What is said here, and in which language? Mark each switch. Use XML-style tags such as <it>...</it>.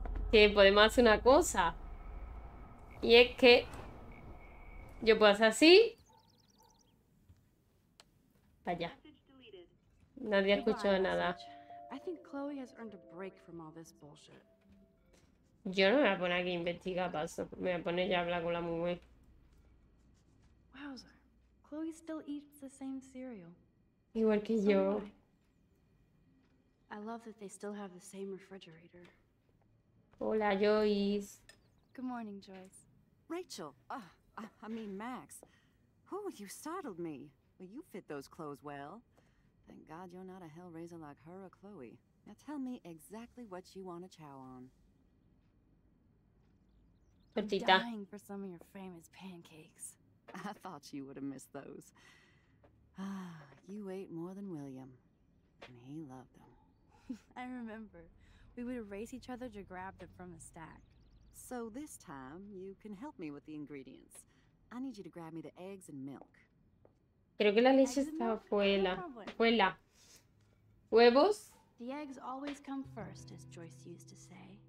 <es>Que podemos hacer una cosa. Y es que yo puedo hacer así. Vaya. Nadie ha escuchado nada.</es> <en>I think Chloe has earned a break from all this bullshit.</en> <es>Yo no me voy a poner aquí a investigar paso. Me voy a poner ya a hablar con la mujer.</es> <en>Wowzer. Chloe still eats the same cereal.</en> <es>Igual que yo.</es> <en>I love that they still have the same refrigerator.</en> <es>Hola, Joyce.</es> <en>Good morning, Joyce. Rachel. I mean, Max. Oh, you startled me. Well, you fit those clothes well. Thank God you're not a hellraiser like her or Chloe. Now tell me exactly what you want to chow on.</en> <es>Tortita.</es> <en>I'm dying for some of your famous pancakes. I thought you would have missed those. Ah, you ate more than William. And he loved them. I remember. We would race each other to grab them from the stack. So this time, you can help me with the ingredients. I need you to grab me the eggs and milk.</en> <es>Creo que la leche está afuera. Fuera. Huevos.</es> <en>The eggs always come first, as Joyce used to say.</en>